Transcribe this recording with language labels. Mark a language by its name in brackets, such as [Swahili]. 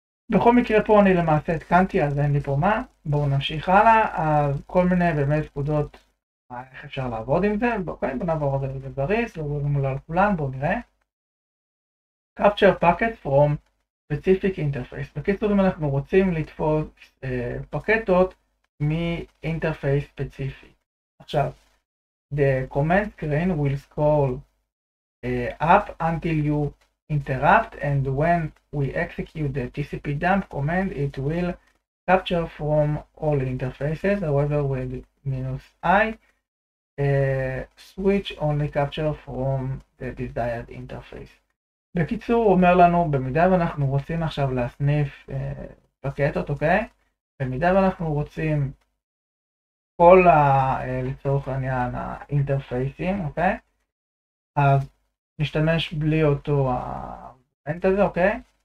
[Hebrew] בכל מקרה פה אני למעשה התקנתי, אז אין לי פה מה, בואו נמשיך הלאה, אז כל מיני באמת פקודות, איך אפשר לעבוד עם זה, בואו נעבור על זה לבריס, לא רואים מולה לכולן, בואו נראה. [English] Capture packet from specific interface. [Hebrew] בקיצור, אם אנחנו רוצים לתפוס פקטות מאינטרפייס ספציפי. עכשיו, [English] the command screen will scroll up until you interrupt, and when we execute the TCP dump command, it will capture from all interfaces. However, with minus I, switch only capture from the desired interface. [Hebrew] בקיצור, הוא אומר לנו, במידה ואנחנו רוצים עכשיו להסניף פקטות, אוקיי? במידה ואנחנו רוצים כל ה, לצורך העניין האינטרפייסים, אוקיי? אז נשתמש בלי אותו האנט הזה, אוקיי?